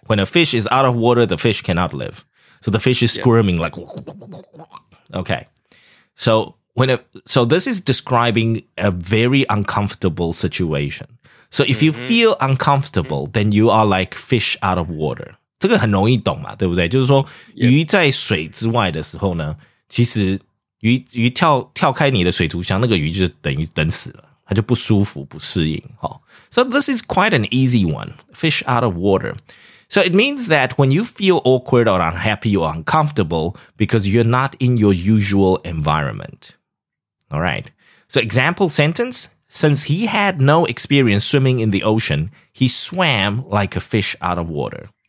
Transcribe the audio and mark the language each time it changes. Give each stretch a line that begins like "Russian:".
English: When a fish is out of water, the fish cannot live. So the fish is squirming like... Okay. So this is describing a very uncomfortable situation. So if you feel uncomfortable, then you are like fish out of water.
Chinese: 这个很容易懂嘛，对不对？就是说，鱼在水之外的时候呢，其实鱼跳开你的水族箱，那个鱼就等于等死了，它就不舒服、不适应。
English: 好、哦、，So this is quite an easy one. Fish out of water. So it means that when you feel awkward or unhappy or uncomfortable because you're not in your usual environment. All right. So example sentence: Since he had no experience swimming in the ocean, he swam like a fish out of water.